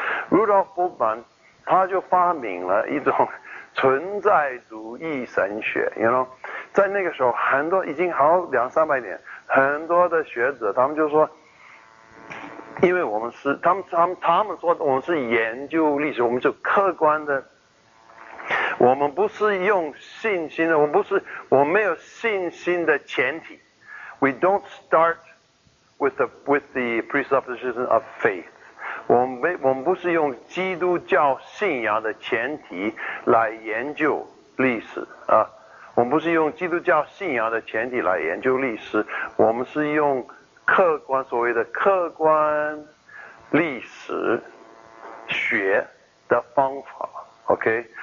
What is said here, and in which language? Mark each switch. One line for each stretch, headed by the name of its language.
Chinese: Rudolf Bultmann 他就发明了一种存在主义神学 ，you know， 在那个时候很多已经好两三百年，很多的学者他们就说。因为我们是他们说我们是研究历史，我们就客观的，我们不是用信心的，我们没有信心的前提。
English: We don't start with the presupposition of faith.
Chinese: 我们不是用基督教信仰的前提来研究历史啊，我们不是用基督教信仰的前提来研究历史，我们是用。客观所谓的客观历史学的方法 ，OK。